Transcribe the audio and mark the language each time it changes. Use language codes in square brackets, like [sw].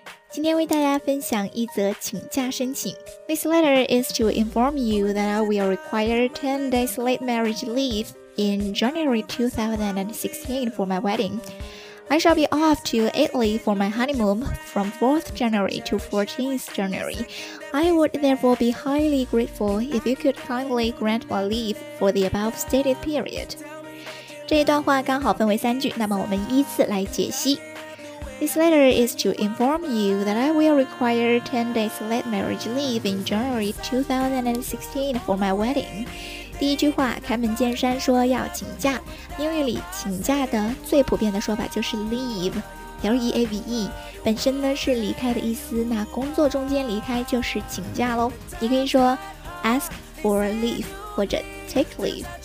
[zh] 今天为大家分享一则请假申请。 [en] This letter is to inform you that I will require 10 days late marriage leave in January 2016 for my wedding. I shall be off to Italy for my honeymoon from 4th January to 14th January. I would therefore be highly grateful if you could kindly grant my leave for the above stated period. [zh] 这一段话刚好分为三句，那么我们依次来解析。 [en] This letter is to inform you that I will require 10 days late marriage leave in January 2016 for my wedding. [zh] 第一句话，开门见山说要请假。英语里请假的最普遍的说法就是 leave, L-E-A-V-E, 本身呢是离开的意思，那工作中间离开就是请假咯。你可以说 [en] ask for leave, [zh] 或者 [en] take leave。